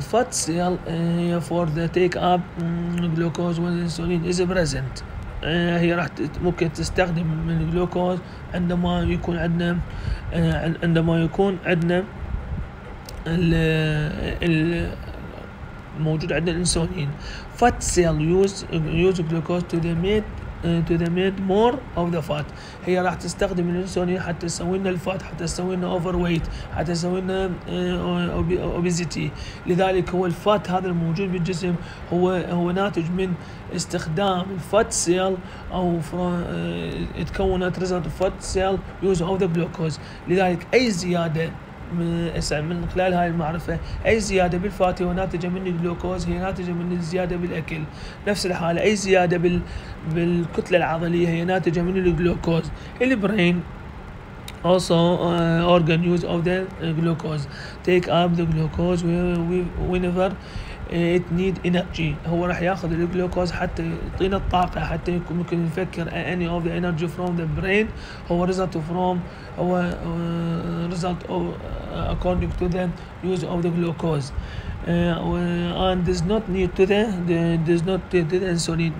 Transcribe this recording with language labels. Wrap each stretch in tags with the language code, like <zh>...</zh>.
<en>Fat cell for the take up glucose when insulin is present.</en> <ar>هي راح ممكن تستخدم من الجلوكوز عندما يكون عندنا ال موجود عندنا الانسولين.</ar> <en>Fat cell use glucose to the made more of the fat.</en> <ar>هي راح تستخدم الانسولين حتى تسوي لنا الفات, حتى تسوي لنا overweight, حتى تسوي لنا obesity. لذلك هو الفات هذا الموجود بالجسم هو ناتج من استخدام الفات سيل او تكونت</ar> <en>result of fat cell use of the glucose.</en> <ar>لذلك اي زياده من خلال هاي المعرفة أي زيادة بالفاتي وناتجة من الجلوكوز هي ناتجة من الزيادة بالأكل. نفس الحالة أي زيادة بالكتلة العضلية هي ناتجة من الجلوكوز.</ar> <en>البرين also organ use of the glucose take up the glucose whenever it need energy.</en> <ar>هو راح ياخذ الجلوكوز حتى يعطينا الطاقة حتى يكون ممكن نفكر.</ar> <en>any of the energy from the brain هو result from هو result of according to the use of the glucose and does not need to the insulin.</en>